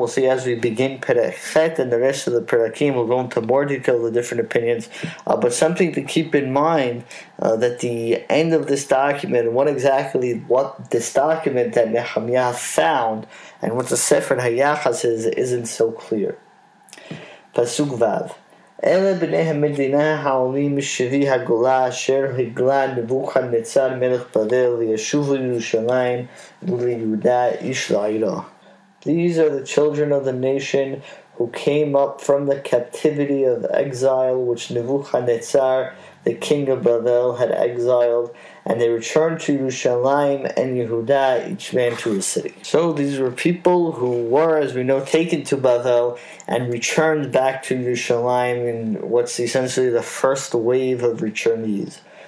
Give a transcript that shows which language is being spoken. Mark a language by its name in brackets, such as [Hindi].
[English] We'll see as we begin Perek Chet and the rest of the Perakim. We'll go into more detail of the different opinions. But something to keep in mind, that the end of this document and what this document that Nehemya found and what the Sefer HaYachas is isn't so clear. Pasuk Vav. [Hebrew] אלה בני המדינה העולים משבי הגולה אשר הגלה נבוכדנצר מלך בבל וישוב לירושלים וליהודה איש לעירו. [English] These are the children of the nation who came up from the captivity of exile which Nebuchadnezzar, the king of Babel, had exiled, and they returned to Yerushalayim and Yehuda, each man to his city. So these were people who were, as we know, taken to Babel and returned back to Yerushalayim in what's essentially the first wave of returnees.